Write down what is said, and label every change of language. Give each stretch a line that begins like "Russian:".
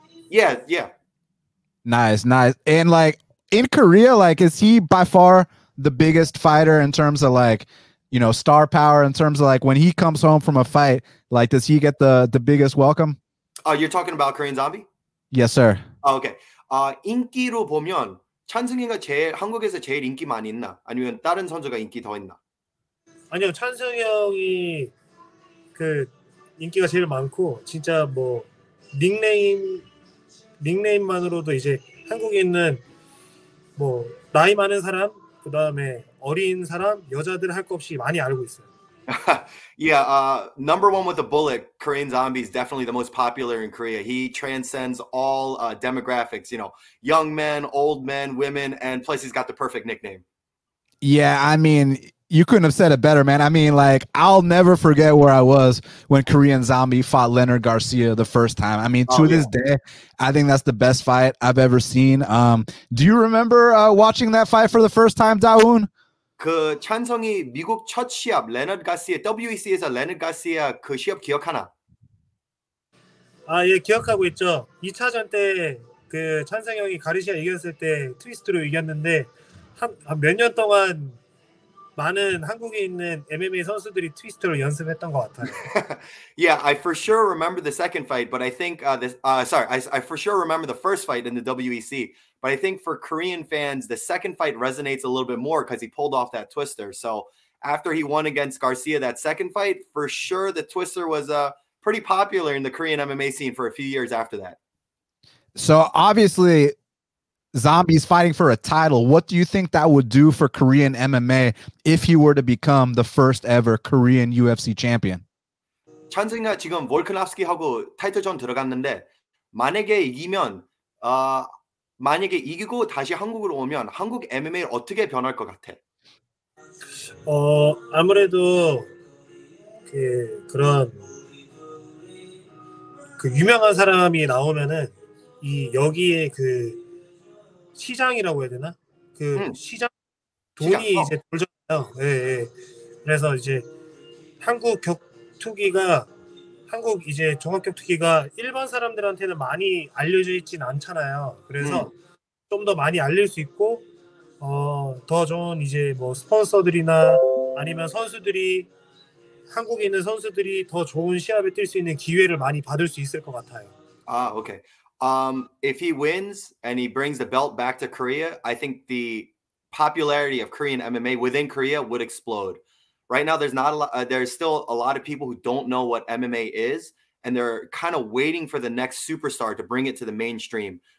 English: Yeah. Nice, nice. And like in Korea, like is he by far the biggest fighter in terms of like, you know, star power in terms of like when he comes home from a fight, like does he get the biggest welcome? You're talking about Korean Zombie? Yes, sir. Oh, okay.
Korean: 인기로 보면 찬승이가 제일 한국에서 제일 인기 많이 있나? 아니면 다른 선수가 인기 더 있나? 아니요, 찬승이 형이 그 인기가 제일 많고 진짜 뭐 닉네임만으로도 이제 한국에 있는 뭐 나이 많은 사람, 그다음에 어린 사람, 여자들 할 것 없이 많이 알고 있어요.
English: Yeah, number one with a bullet, Korean Zombie is definitely the most popular in Korea. He transcends all demographics, you know, young men, old men, women, and plus he's got the perfect nickname. Yeah, I mean, you couldn't have said it better, man. I mean, like, I'll never forget where I was when Korean Zombie fought Leonard Garcia the first time. I mean, this day, I think that's the best fight I've ever seen. Do you remember watching that fight for the first time, Daewoon?
Korean: 그 찬성이 미국 첫 시합, Leonard Garcia, WEC에서 Leonard Garcia 그 시합 기억하나? 아, 예, 기억하고 있죠. 2차전 때 그 찬성 형이 가르시아 이겼을 때 트위스트로 이겼는데 한 몇 년 동안 많은 한국에 있는 MMA 선수들이 트위스트를 연습했던 것 같아요.
English: Yeah, I for sure remember the second fight, but I think I for sure remember the first fight in the WEC, but I think for Korean fans, the second fight resonates a little bit more because he pulled off that twister. So after he won against Garcia that second fight, for sure the twister was pretty popular in the Korean MMA scene for a few years after that. So obviously, Zombie's fighting for a title. What do you think that would do for Korean MMA if he were to become the first ever Korean UFC champion?
Korean: 찬승이가 지금 볼크나프스키하고 타이틀전 들어갔는데 만약에 이기면 만약에 이기고 다시 한국으로 오면 한국 MMA 어떻게 변할 것 같아? 아무래도 그런 유명한 사람이 나오면은 이 여기에 그 시장이라고 해야 되나? 그 시장 돈이 시장. 이제 돌잖아요. 예, 예. 그래서 이제 한국 격투기가 한국 이제 종합 격투기가 일반 사람들한테는 많이 알려져 있진 않잖아요. 그래서 좀 더 많이 알릴 수 있고 더 좋은 이제 뭐 스폰서들이나 아니면 선수들이 한국에 있는 선수들이 더 좋은 시합에 뛸 수 있는 기회를 많이 받을 수 있을 것 같아요. 아, 오케이.
English: If he wins and he brings the belt back to Korea, I think the popularity of Korean MMA within Korea would explode. Right now, there's not a lot, there's still a lot of people who don't know what MMA is, and they're kind of waiting for the next superstar to bring it to the mainstream.